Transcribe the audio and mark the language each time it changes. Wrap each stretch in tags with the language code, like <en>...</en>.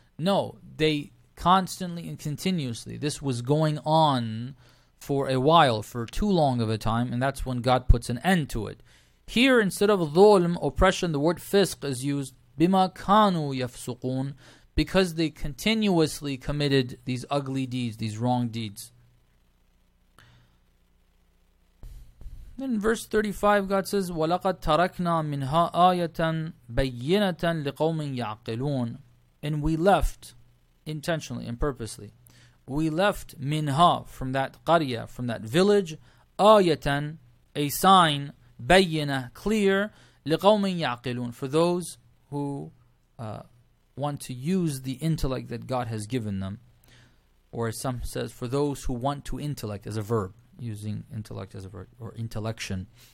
<en>No, they constantly and continuously, this was going on for a while, for too long of a time, and that's when God puts an end to it. Here, instead of zulm, oppression, the word fisq is used,</en> <ar>bima kanu yafsuqun,</ar> <en>because they continuously committed these ugly deeds, these wrong deeds. Then verse 35, God says,</en> <ar>وَلَقَدْ تَرَكْنَا مِنْهَا آيَةً بَيِّنَةً لِقَوْمٍ يَعْقِلُونَ.</ar> <en>And we left, intentionally and purposely, we left مِنْهَا, from that قَرْيَة, from that village, آيَةً, a sign, بَيِّنَة, clear,</en> <ar>لِقَوْمٍ يَعْقِلُونَ,</ar> <en>for those who want to use the intellect that God has given them, or as some says, for those who want to intellect as a verb, using intellect as a verb, or intellection.</en>